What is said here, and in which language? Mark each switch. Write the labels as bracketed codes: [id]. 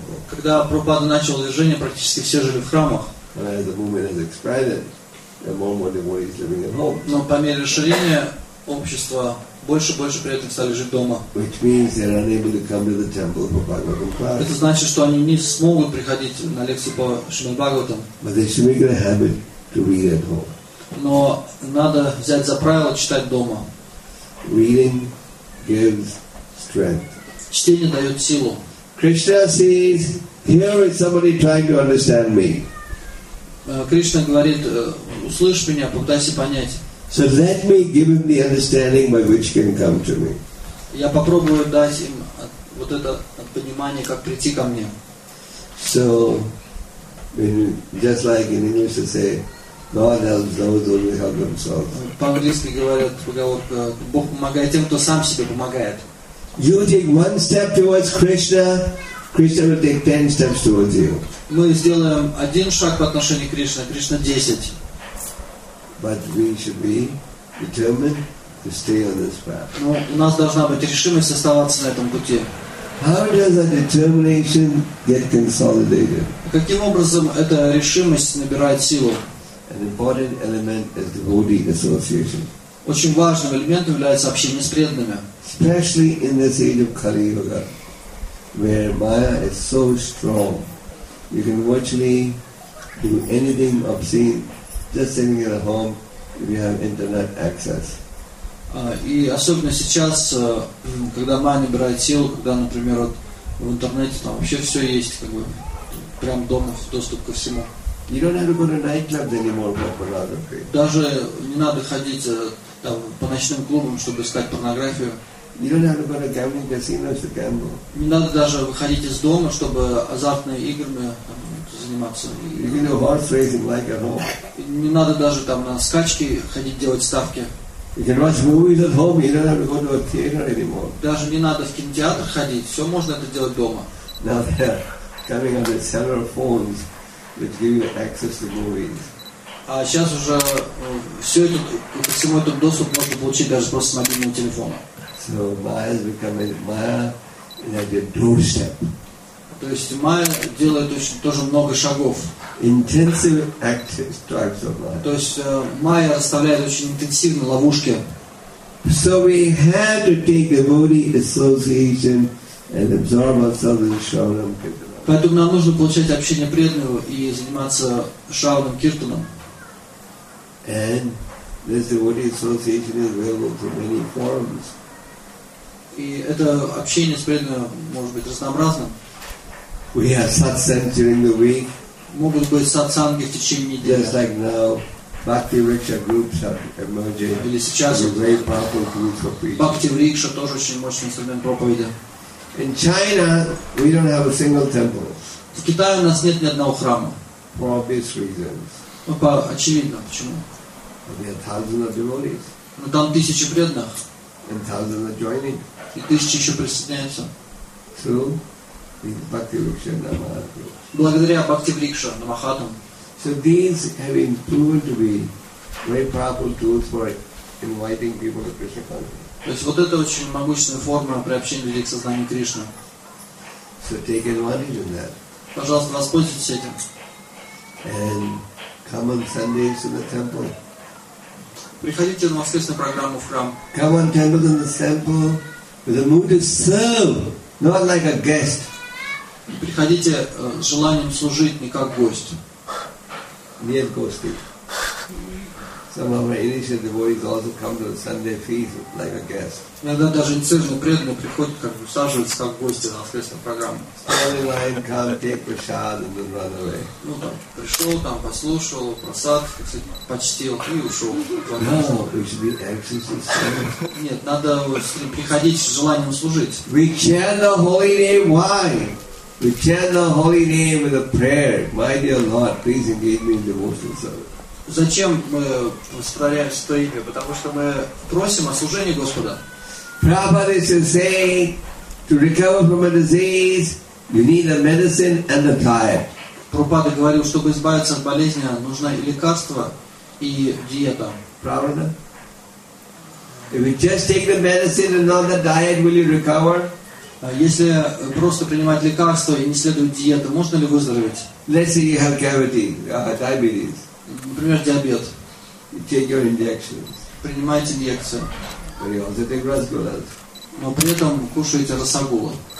[ru] Когда Прабхупада начал движение, практически все жили в храмах. Но по мере расширения общества больше и больше при этом стали жить дома. [en] Which means they're unable to come to the temple for Bhagavatam class. [ru] Это значит, что они не смогут приходить на лекции по Шримад Бхагаватам. [en] But they should make it a habit to read at home. [ru] Но надо взять за правило читать дома. [en] Reading gives strength. [ru] Чтение дает силу. [en] Krishna says, here is somebody trying to understand me. [ru] Кришна говорит, услышь меня, попытайся понять. [en] So let me give him the understanding by which he can come to me. [ru] Я попробую дать им вот это понимание, как прийти ко мне. [en] So, just like in English they say, God helps those who help themselves. [ru] По-английски говорят поговорка, Бог помогает тем, кто сам себе помогает. [en] You take one step towards Krishna, Krishna will take 10 steps towards you. [ru] Мы сделаем один шаг по отношению к Кришне, Кришна 10. [en] But we should be determined to stay on this path. [ru] Но у нас должна быть решимость оставаться на этом пути. [en] How does that determination get consolidated? [ru] Каким образом эта решимость набирает силу? [en] An important element is devotee association. [ru] Очень важным элементом является общение с преданными. [en] Especially in this age of Kali Yuga, where Maya is so strong, you can virtually do anything obscene. Just sitting at home, if you have internet access. [ru] И особенно сейчас, когда Майя набирает силу, когда, например, вот в интернете там вообще все есть, как бы прям дома доступ ко всему. [en] You don't have to go to nightclubs anymore for pornography. [ru] Даже не надо ходить там по ночным клубам, чтобы искать порнографию. [en] You don't have to go to gambling casinos to gamble. [ru] Не надо даже выходить из дома, чтобы азартные игры там, заниматься. [en] You can do horse racing like at home. [ru] Не надо даже там на скачки ходить делать ставки. [en] You can watch movies at home. You don't have to go to a theater anymore. [ru] Даже не надо в кинотеатр ходить. Все можно это делать дома. [en] Now they're coming on the cellular phones, which give you access to movies. [ru] А сейчас уже все это, всему этот доступ можно получить даже просто с мобильного телефона. [en] So Maya's become a Maya like a doorstep. [ru] То есть Майя делает очень тоже много шагов. [en] Intensive access types of life. [ru] То есть Майя расставляет очень интенсивные ловушки. [en] So we had to take devotee association and absorb ourselves in Shravanam Kirtanam. [ru] Поэтому нам нужно получать общение преданного и заниматься Шравнам Киртаном. [en] And this devotee association is available for many forms. [ru] И это общение с преданным может быть разнообразным. [en] We have satsang during the week. [ru] Могут быть сатсанги в течение недели. [en] Just like now, bhakti riksha groups are emerging. [ru] Или сейчас [en] very powerful groups of people. [ru] Bhakti riksha тоже очень мощный инструмент проповеди. [en] In China, we don't have a single temple. [ru] В Китае у нас нет ни одного храма. [en] For obvious reasons. [ru] Ну, по очевидно, почему? [en] There are thousands of devotees. [ru] Но там тысячи преданных. [en] And thousands are joining. [ru] И тысячи еще присоединяются. [en] So, Bhakti Riksha Namahatam. [ru] Благодаря Бхакти Врикша Намахатам. [en] So these have been proven to be very powerful tools for inviting people to Krishna consciousness. [ru] То есть вот это очень могущественная форма приобщения людей к сознанию Кришны. [en] So take advantage of that. [ru] Пожалуйста, воспользуйтесь этим. [en] And come on Sundays to the temple. [ru] Приходите на воскресную программу в храм. [en] Come on temple in the temple with a mood to serve, not like a guest. [ru] Приходите с желанием служить, не как гость. Не в гости. [en] Some of our initial devotees also come to the Sunday feast like a guest. [ru] Иногда даже инициативные преданные приходят, как бы усаживаются как гости на воскресную программу. [en] Stand in line, come, take prasad, and then run away. [ru] Ну, там, пришел, там, послушал, просад, как сказать, почтил, и ушел. [en] No, we should be anxious to serve. [ru] Нет, надо приходить с желанием служить. [en] We chant the holy name, why? We chant the holy name with a prayer. My dear Lord, please engage me in devotional service. [ru] Зачем мы справляемся с то имя? Потому что мы просим о служении Господа. [en] Prabhupada is saying, to recover from a disease, you need a medicine and a diet. [ru] Прабхупада говорил, чтобы избавиться от болезни, нужно и лекарство, и диета. Правда? [en] If you just take the medicine and not the diet, will you recover? [ru] Если просто принимать лекарство и не следовать диете, можно ли выздороветь? [en] Let's say you have cavity, diabetes. [ru] Например, диабет. [en] You take your injections. [ru] Принимайте инъекцию. [en] But you also take rasgullas. [ru] Но при этом кушаете расагулу.